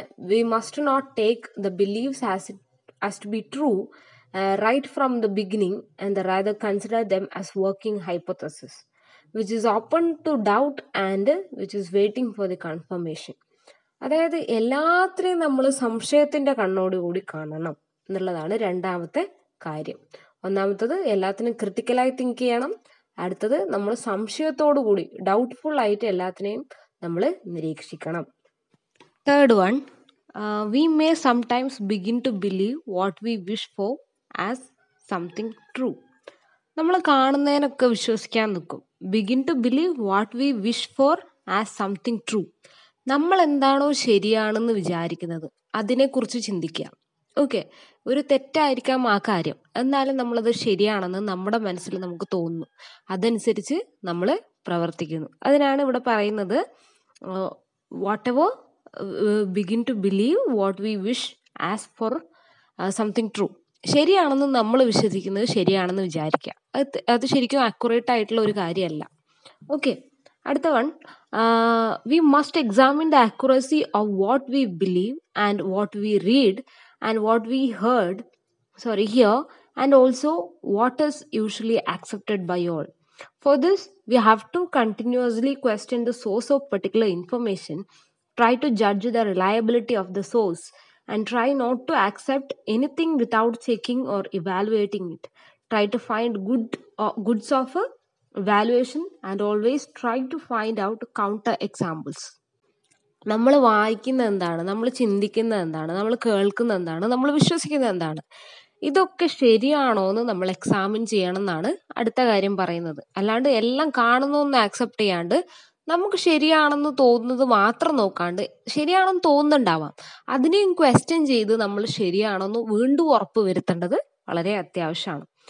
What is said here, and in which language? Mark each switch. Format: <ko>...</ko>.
<en>We must not take the beliefs as to be true right from the beginning and rather consider them as working hypothesis which is open to doubt and which is waiting for the confirmation.</en> <ml>അതായത് എല്ലാത്തിനെയും നമ്മൾ സംശയത്തിൻ്റെ കണ്ണോടുകൂടി കാണണം എന്നുള്ളതാണ് രണ്ടാമത്തെ കാര്യം. ഒന്നാമത്തത് എല്ലാത്തിനും ക്രിട്ടിക്കലായി തിങ്ക് ചെയ്യണം. അടുത്തത് നമ്മൾ സംശയത്തോടുകൂടി ഡൗട്ട്ഫുൾ ആയിട്ട് എല്ലാത്തിനെയും നമ്മൾ നിരീക്ഷിക്കണം.</ml> <en>Third one, we may sometimes begin to believe what we wish for as something true.</en> <ml>നമ്മള് കാണുന്നതിനൊക്കെ വിശ്വസിക്കാൻ നിൽക്കും.</ml> <en>Begin to believe what we wish for as something true.</en> <ml>നമ്മൾ എന്താണോ ശരിയാണെന്ന് വിചാരിക്കുന്നത് അതിനെക്കുറിച്ച് ചിന്തിക്കുക. ഓക്കെ, ഒരു തെറ്റായിരിക്കാം ആ കാര്യം, എന്നാലും നമ്മളത് ശരിയാണെന്ന് നമ്മുടെ മനസ്സിൽ നമുക്ക് തോന്നുന്നു, അതനുസരിച്ച് നമ്മൾ പ്രവർത്തിക്കുന്നു. അതിനാണ് ഇവിടെ പറയുന്നത്</ml> <en>Whatever begin to believe what we wish as for something true.</en> <ml>ശരിയാണെന്ന് നമ്മൾ വിശ്വസിക്കുന്നത് ശരിയാണെന്ന് വിചാരിക്കുക, അത് ശരിക്കും അക്യുറേറ്റ് ആയിട്ടുള്ള ഒരു കാര്യമല്ല.</ml> <en>okay,</en> <ml>അടുത്ത</ml> <en>One, we must examine the accuracy of what we believe and what we read and what we heard here and also what is usually accepted by all. For this, we have to continuously question the source of particular information, try to judge the reliability of the source, and try not to accept anything without checking or evaluating it. Try to find goods of a evaluation and always try to find out counter examples.</en> <ml>നമ്മൾ വായിക്കുന്നത് എന്താണ്, നമ്മൾ ചിന്തിക്കുന്നത് എന്താണ്, നമ്മൾ കേൾക്കുന്നത് എന്താണ്, നമ്മൾ വിശ്വസിക്കുന്നത് എന്താണ്, ഇതൊക്കെ ശരിയാണോ എന്ന് നമ്മൾ എക്സാമിൻ ചെയ്യണം എന്നാണ് അടുത്ത കാര്യം പറയുന്നത്. അല്ലാണ്ട് എല്ലാം കാണുന്നൊന്ന് ആക്സെപ്റ്റ് ചെയ്യാണ്ട് നമുക്ക് ശരിയാണെന്ന് തോന്നുന്നത് മാത്രം നോക്കാണ്ട് ശരിയാണെന്ന് തോന്നുന്നുണ്ടാവാം, അതിനെയും ക്വസ്റ്റ്യൻ ചെയ്ത് നമ്മൾ ശരിയാണോന്ന് വീണ്ടും ഉറപ്പ് വരുത്തേണ്ടത് വളരെ അത്യാവശ്യമാണ്.</ml>